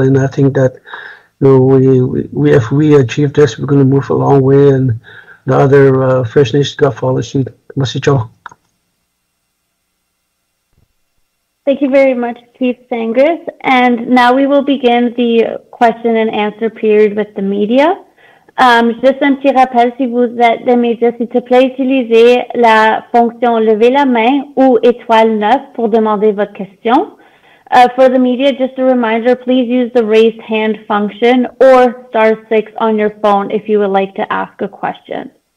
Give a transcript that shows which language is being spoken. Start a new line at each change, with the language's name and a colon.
English: And I think that we if we achieve this, we're going to move a long way. And the other First Nations got follow suit. Merci. Thank you very much, Chief Sangris. And now we will begin the question and answer period with the media.
French: Juste un petit rappel, si vous êtes des médias, s'il te plaît, utilisez la fonction lever la main ou étoile 9 pour demander votre question.
English: For the media, just a reminder, please use the raised hand function or star 6 on your phone if you would like to ask a question.